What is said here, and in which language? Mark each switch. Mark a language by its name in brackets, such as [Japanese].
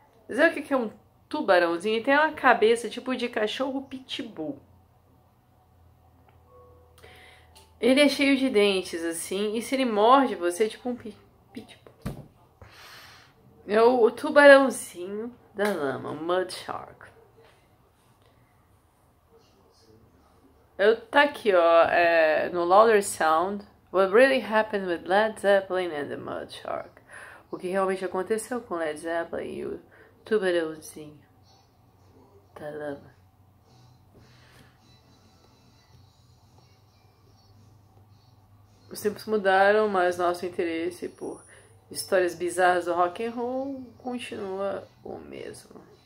[Portuguese] Sabe o que é um tubarãozinho? Ele tem uma cabeça tipo de cachorro pitbull. Ele é cheio de dentes assim, e se ele morde você, é tipo um pitbull. É o tubarãozinho da lama, o Mud Shark. Tá aqui, ó, no [English] Louder Sound: What really happened with Led Zeppelin and the Mud Shark? [Portuguese] O que realmente aconteceu com Led Zeppelin e o tubarãozinho da lama? Os tempos mudaram, mas nosso interesse por histórias bizarras do rock and roll continua o mesmo.